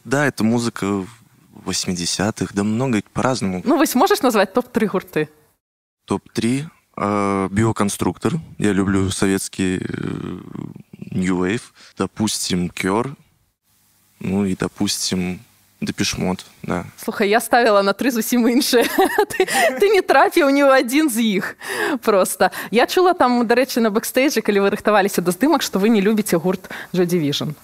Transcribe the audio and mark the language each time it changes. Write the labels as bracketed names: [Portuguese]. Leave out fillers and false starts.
[Russian] Да, это музыка 80-х, да много, по-разному. [Belarusian] Ну, вось можаш назваць топ-3 гурты? [Russian] Топ-3? Биоконструктор. Я люблю советский New Wave. Допустим, Кёр. Ну и, допустим, Депешмот, да. [Belarusian] Слухай, я ставила на 3 зусім інші. ты не трапіў ні ў адзін з іх просто. Я чула там, дарэчы, на бэкстэйджы, калі вы рыхтаваліся да здымак, што вы не любіце гурт Joy Division.